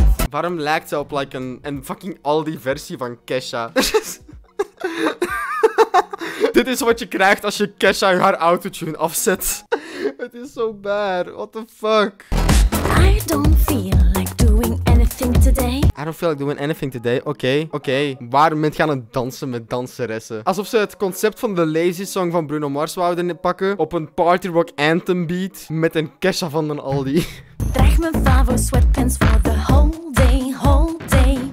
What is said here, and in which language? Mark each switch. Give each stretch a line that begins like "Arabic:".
Dutch: Waarom lijkt zij op like een fucking Aldi versie van Kesha? Dit is wat je krijgt als je Kesha haar autotune afzet. Het is zo bad.
English: What the fuck? I don't feel like doing anything today. I don't feel like doing anything today.
Dutch: Oké. Waarom ben je aan het dansen met danseressen? Alsof ze het concept van de Lazy Song van Bruno Mars wouden pakken op een party rock anthem beat met een Kesha van den Aldi. Draag mijn favo sweatpants voor de
English: whole day.